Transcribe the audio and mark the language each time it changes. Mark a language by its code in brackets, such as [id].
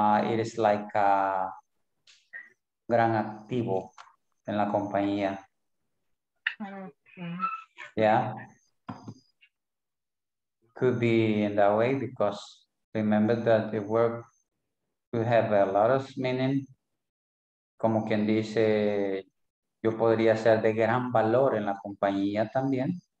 [en] It is like a [es] gran activo en la compañía. [en] Okay. Yeah. Could be in that way because remember that the word could have a lot of meaning. [es] Como quien dice, yo podría ser de gran valor en la compañía también.